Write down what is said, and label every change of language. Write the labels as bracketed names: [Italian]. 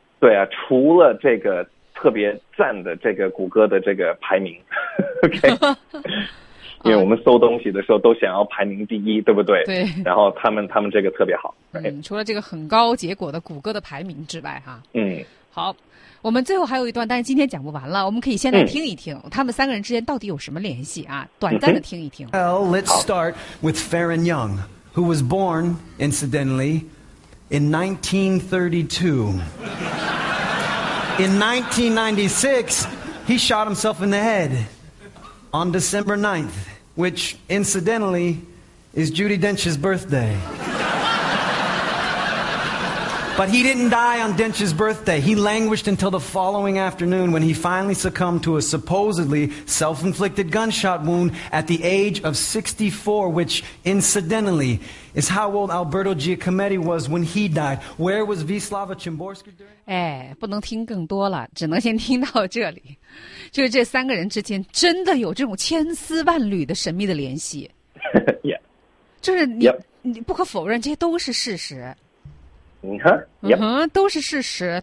[Chinese] 这个、对啊，除了这个特别赞的这个谷歌的这个排名OK 因为我们搜东西的时候都想要排名第一，对不对？对。然后他们这个特别好。嗯，除了这个很高结果的谷歌的排名之外，哈。嗯。好，我们最后还有一段，但是今天讲不完了，我们可以先来听一听他们三个人之间到底有什么联系啊？短暂的听一听。 [English] Well, let's start with Farron Young, who was born, incidentally, in 1932. In 1996, he shot himself in the head. On December 9th, which, incidentally, is Judy Dench's birthday. But he didn't die on Dench's birthday. He languished until the following afternoon when he finally succumbed to a supposedly self-inflicted gunshot wound at the age of 64, which, incidentally, is how old Alberto Giacometti was when he died. Where was Vislava Szymborska during... [Chinese] 哎，不能听更多了，只能先听到这里。就是这三个人之间真的有这种千丝万缕的神秘的联系。 [English] Yeah. [Chinese] 就是你、 [English] yep. [Chinese] 你不可否认，这些都是事实。你看，嗯，都是事实。